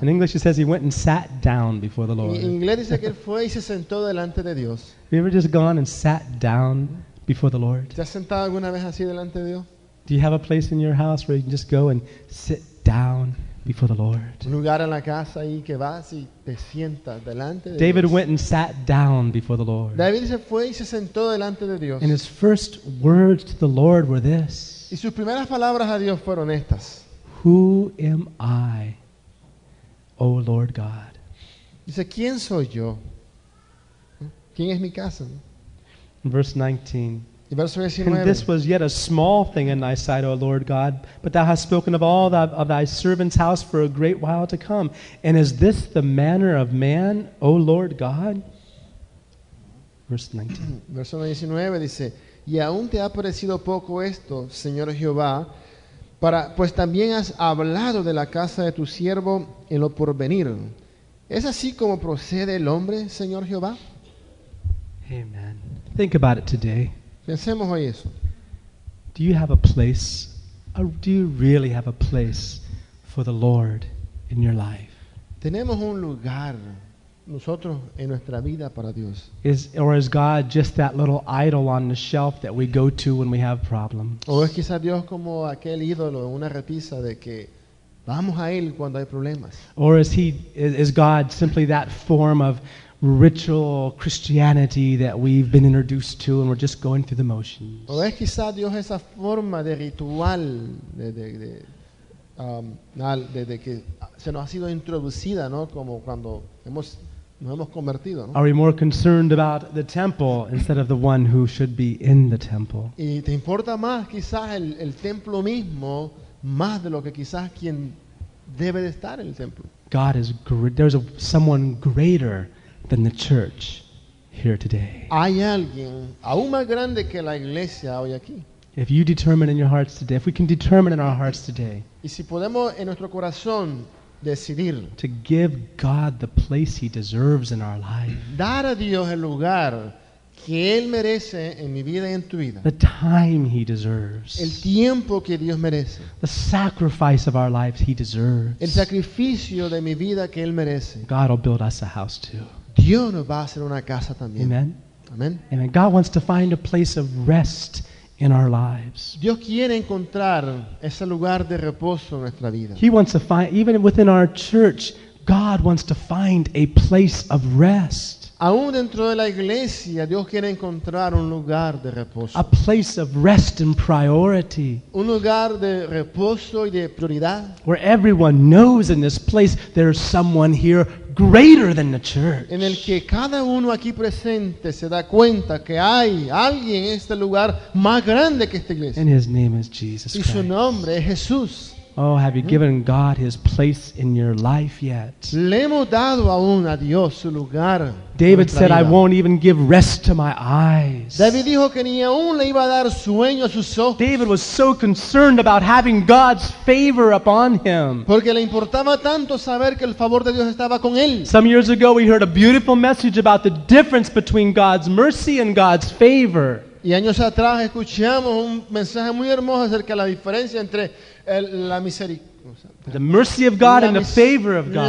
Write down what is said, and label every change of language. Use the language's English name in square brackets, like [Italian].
[English] In English it says he went and sat down before the Lord. [Spanish] En inglés dice que él fue y se sentó delante de Dios. [English] Have you ever just gone and sat down before the Lord? [Spanish] ¿Te has sentado alguna vez así delante de Dios? [English] Do you have a place in your house where you can just go and sit down before the Lord? [Spanish] Un lugar en la casa ahí que vas y te sientas delante de David Dios. [English] Went and sat down before the Lord. [Spanish] David se fue y se sentó delante de Dios. [English] And his first words to the Lord were this. [Spanish] Y sus primeras palabras a Dios fueron estas. [English] Who am I, O Lord God? [Spanish] Dice, ¿quién soy yo? ¿Quién es mi casa? [English] In verse 19. And this was yet a small thing in thy sight, O Lord God, but thou hast spoken of all thy, of thy servant's house for a great while to come. And is this the manner of man, O Lord God? Verse 19 [Spanish] dice, y aún te ha parecido poco esto, Señor Jehová, para, pues también has hablado de la casa de tu siervo en lo porvenir. ¿Es así como procede el hombre, Señor Jehová? [English] Amen. Think about it today. [Spanish] Pensemos hoy eso. [English] Do you have a place, do you really have a place for the Lord in your life? [Spanish] Tenemos un lugar nosotros en nuestra vida para Dios. [English] Is God just that little idol on the shelf that we go to when we have problems? [Spanish] O es quizás Dios como aquel ídolo en una repisa de que vamos a él cuando hay problemas. [English] Or is God simply that form of ritual Christianity that we've been introduced to and we're just going through the motions? [Spanish] O es quizás Dios esa forma de ritual de que se nos ha sido introducida, ¿no? Como cuando hemos nos hemos convertido, ¿no? [English] Are we more concerned about the temple instead of the one who should be in the temple? [Spanish] ¿Y te importa más quizás el templo mismo más de lo que quizás quien debe de estar en el templo? [English] God is there's someone greater than the church here today. [Spanish] Hay alguien aún más grande que la iglesia hoy aquí. [English] If you determine in your hearts today, if we can determine in our hearts today, [Spanish] y si podemos en nuestro corazón decidir [English] to give God the place he deserves in our life. [Spanish] Dar a Dios el lugar que él merece en mi vida y en tu vida. [English] The time he deserves. [Spanish] El tiempo que Dios merece. [English] The sacrifice of our lives he deserves. [Spanish] El sacrificio de mi vida que él merece. [English] God will build us a house too. [Spanish] Dios nos va a hacer una casa también. [English] Amen. [Spanish] Amen. [English] And God wants to find a place of rest in our lives. [Spanish] Dios quiere encontrar ese lugar de reposo en nuestra vida. [English] He wants to find, even within our church, God wants to find a place of rest. [Spanish] Aún dentro de la iglesia, Dios quiere encontrar un lugar de reposo. [English] A place of rest and priority. [Spanish] Un lugar de reposo y de prioridad. [English] Where everyone knows in this place there's someone here greater than the church. [Spanish] En el que cada uno aquí presente se da cuenta que hay alguien en este lugar más grande que esta iglesia. [English] And his name is Jesus Christ. [Spanish] Y su nombre es Jesús. [English] Oh, have you given God his place in your life yet? [Spanish] Le hemos dado aún a Dios su lugar. [English] David said, I won't even give rest to my eyes. [Spanish] David dijo que ni aún le iba a dar sueño a sus ojos. [English] David was so concerned about having God's favor upon him. [Spanish] Porque le importaba tanto saber que el favor de Dios estaba con él. [English] Some years ago we heard a beautiful message about the difference between God's mercy and God's favor. [Spanish] Y años atrás escuchamos un mensaje muy hermoso acerca de la diferencia entre la misericordia, [English] the mercy of God and the favor of God.